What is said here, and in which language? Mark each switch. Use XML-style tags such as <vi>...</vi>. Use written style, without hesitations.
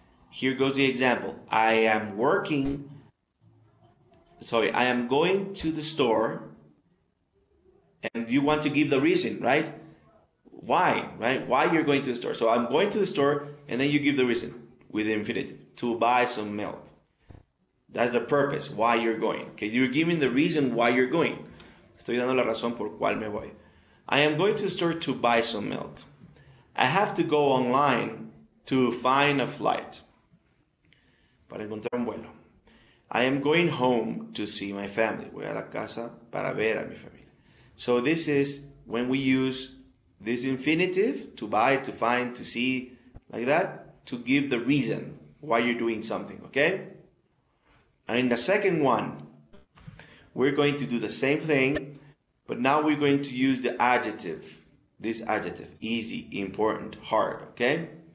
<en>Here goes the example. I am working, sorry, I am going to the store. And you want to give the reason, right? Why, right? Why you're going to the store. So I'm going to the store, and then you give the reason with the infinitive to buy some milk. That's the purpose, why you're going. Okay, you're giving the reason why you're going.</en> <es>Estoy dando la razón por cual me voy.</es> <en>I am going to the store to buy some milk. I have to go online to find a flight.</en> <es>Para encontrar un vuelo.</es> <en>I am going home to see my family.</en> <es>Voy a la casa para ver a mi familia.</es> <en>So this is when we use this infinitive to buy, to find, to see, like that, to give the reason why you're doing something, okay? And in the second one, we're going to do the same thing, but now we're going to use the adjective, this adjective, easy, important, hard, okay?</en>